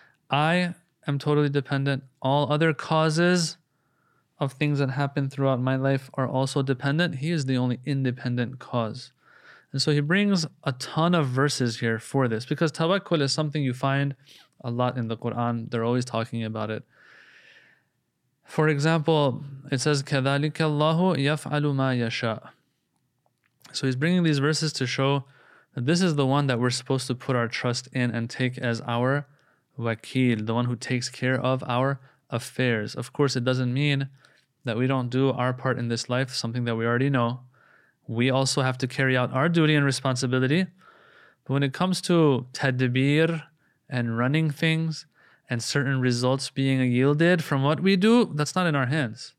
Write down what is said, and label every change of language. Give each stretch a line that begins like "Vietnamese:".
English: I am totally dependent. All other causes of things that happen throughout my life are also dependent. He is the only independent cause. And so he brings a ton of verses here for this, because tawakkul is something you find a lot in the Quran. They're always talking about it. For example, it says,
Arabic: كَذَلِكَ اللَّهُ يَفْعَلُ مَا يَشَاءُ.
English: So he's bringing these verses to show that this is the one that we're supposed to put our trust in and take as our wakil, the one who takes care of our affairs. Of course, it doesn't mean that we don't do our part in this life, something that we already know. We also have to carry out our duty and responsibility. But when it comes to tadbir and running things and certain results being yielded from what we do, that's not in our hands.